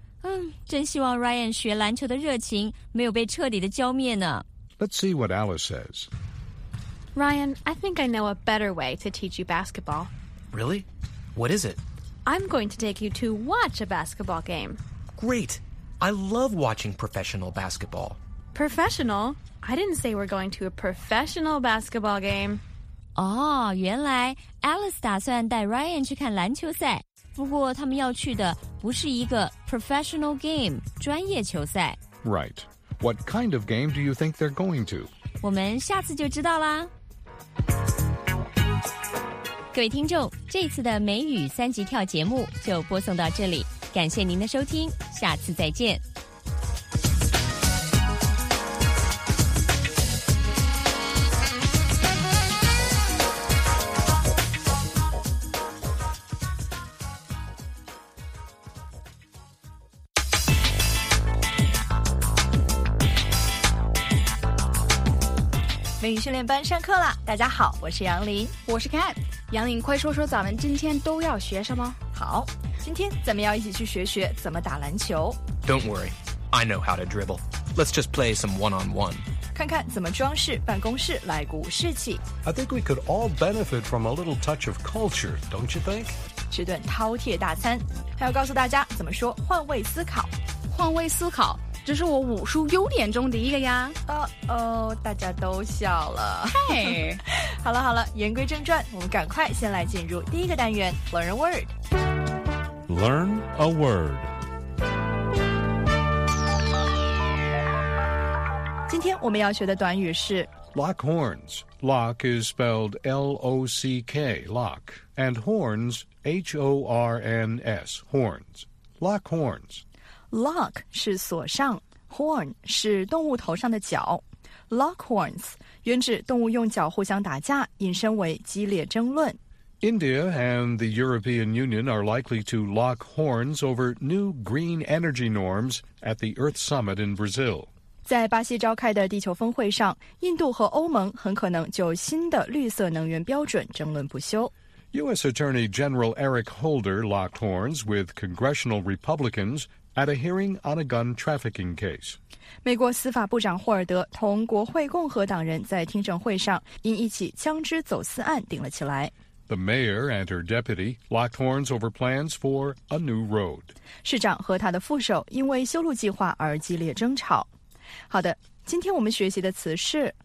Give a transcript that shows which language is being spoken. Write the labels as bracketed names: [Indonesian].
[Chinese] 嗯，真希望 Ryan 学篮球的热情没有被彻底的浇灭呢。 [English] Let's see what Alice says. Ryan, I think I know a better way to teach you basketball. Really? What is it? I'm going to take you to watch a basketball game. Great. I love watching professional basketball. Professional? I didn't say we're going to a professional basketball game. [Chinese] Oh, 原来 Alice 打算带 Ryan 去看篮球赛。不过他们要去的不是一个 [English] professional game, [Chinese] 专业球赛。 [English] Right. What kind of game do you think they're going to? [Chinese] 我们下次就知道啦。各位听众，这次的美语三级跳节目就播送到这里。感谢您的收听，下次再见。美语训练班上课了，大家好，我是杨林，我是 Cat。杨林，快说说咱们今天都要学什么。好，今天咱们要一起去学学怎么打篮球。 [English] Don't worry, I know how to dribble. Let's just play some one-on-one. [Chinese] 看看怎么装饰办公室来鼓舞士气。 [English] I think we could all benefit from a little touch of culture, don't you think? [Chinese] 吃顿饕餮大餐，还要告诉大家怎么说换位思考。换位思考，这是我武术优点中的一个呀。大家都笑了。嗨，好了好了，言归正传，我们赶快先来进入第一个单元 Learn a Word。 [English] Learn a Word。 [Chinese] 今天我们要学的短语是 [English] Lock horns. Lock is spelled L-O-C-K, lock. And horns, H-O-R-N-S, horns. Lock horns. [Chinese] Lock 是锁上，Horn 是动物头上的角。 Lock horns 原指动物用角互相打架，引申为激烈争论。 [English] India and the European Union are likely to lock horns over new green energy norms at the Earth Summit in Brazil. [Chinese] 在巴西召开的地球峰会上，印度和欧盟很可能就新的绿色能源标准争论不休。 [English] U.S. Attorney General Eric Holder locked horns with congressional Republicans at a hearing on a gun trafficking case. [Chinese] 美国司法部长霍尔德同国会共和党人在听证会上因一起枪支走私案顶了起来。 [English] The mayor and her deputy locked horns over plans for a new road. [Chinese] 市长和他的副手因为修路计划而激烈争吵。好的，今天我们学习的词是